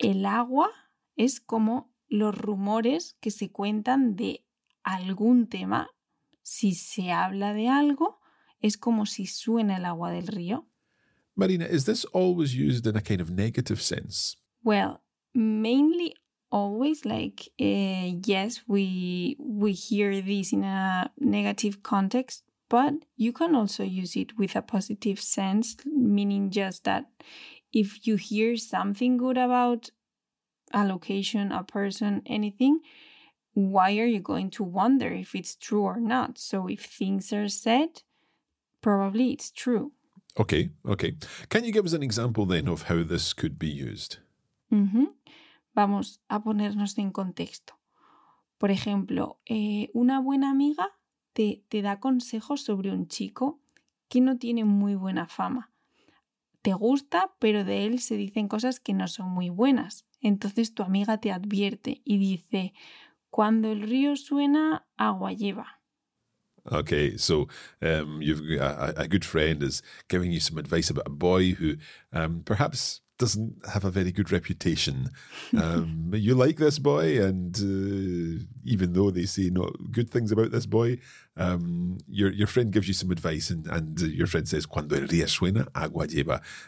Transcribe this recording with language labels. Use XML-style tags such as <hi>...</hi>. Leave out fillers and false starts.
<es>El agua es como los rumores que se cuentan de algún tema. Si se habla de algo, es como si suena el agua del río.</es> <en>Marina, is this always used in a kind of negative sense? Well, mainly always, like, yes, we hear this in a negative context, but you can also use it with a positive sense, meaning just that if you hear something good about a location, a person, anything, why are you going to wonder if it's true or not? So if things are said, probably it's true. Okay, okay. Can you give us an example then of how this could be used?</en> <es>Vamos a ponernos en contexto. Por ejemplo, una buena amiga te da consejos sobre un chico que no tiene muy buena fama. Te gusta, pero de él se dicen cosas que no son muy buenas. Entonces tu amiga te advierte y dice, cuando el río suena, agua lleva.</es> <en>Okay, so you've a good friend is giving you some advice about a boy who perhaps doesn't have a very good reputation. you like this boy, and even though they say not good things about this boy, your friend gives you some advice, and your friend says,</en> <es>"Cuando el río suena, agua lleva."</es>